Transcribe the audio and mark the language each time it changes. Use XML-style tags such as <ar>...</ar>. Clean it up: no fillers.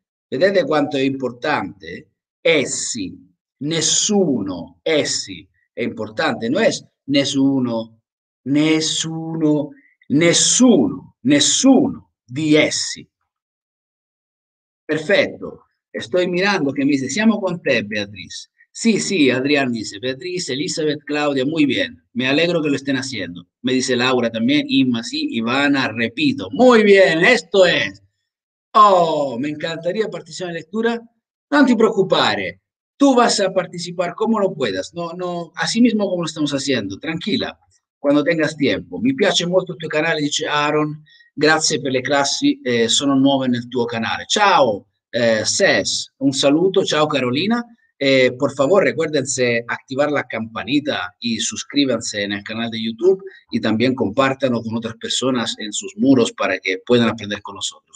<it>Vedete quanto è importante? Essi, nessuno, essi, è importante, non è nessuno, nessuno, nessuno, nessuno di essi. Perfetto, e sto mirando che mi dice, siamo con te, Beatrice.</it> <es>Sì, Adrián dice, Beatrice, Elizabeth, Claudia, muy bien, me alegro que lo estén haciendo. Me dice Laura también, Inma, sí, Ivana, repito, muy bien, esto es. Oh, me encantaría participar en la lectura.</es> <it>Non ti preoccupare,</it> <es>tu vas a participar como lo puedas, no, no, así mismo como lo estamos haciendo, tranquila, cuando tengas tiempo.</es> <it>Mi piace molto il tuo canale, dice Aaron, grazie per le classi, sono nuovo nel tuo canale. Ciao, Ses, un saluto, ciao Carolina,</it> <es>por favor, recuérdense activar la campanita y suscríbanse en el canal de YouTube y también compártanlo con otras personas en sus muros para que puedan aprender con nosotros.</es>